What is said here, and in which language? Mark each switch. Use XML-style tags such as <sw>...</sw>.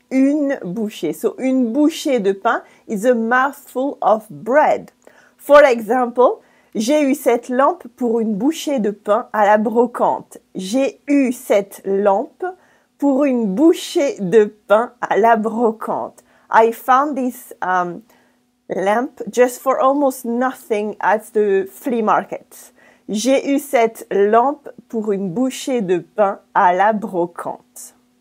<en>So,</en> <fr>une bouchée de pain</fr> <en>is a mouthful of bread. For example,</en> <fr>j'ai eu cette lampe pour une bouchée de pain à la brocante. J'ai eu cette lampe pour une bouchée de pain à la brocante.</fr> <en>I found this lamp just for almost nothing at the flea market.</en> <fr>J'ai eu cette lampe pour une bouchée de pain à la brocante.</fr>